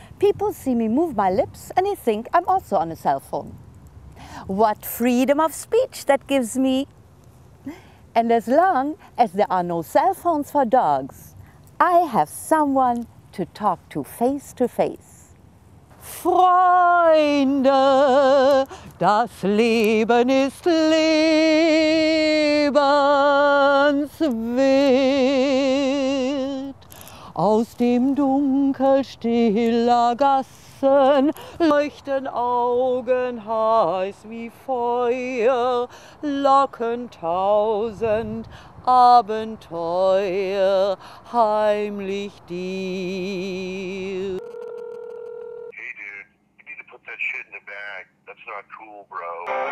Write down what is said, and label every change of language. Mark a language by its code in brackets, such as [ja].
[en] People see me move my lips and they think I'm also on a cell phone. What freedom of speech that gives me! And as long as there are no cell phones for dogs, I have someone to talk to face. [de] Freunde, das Leben ist lebenswert. Aus dem Dunkel stiller Gassen leuchten Augen heiß wie Feuer, locken tausend Abenteuer heimlich dir. [en] Hey dude, you need to put that shit in the bag. That's not cool, bro.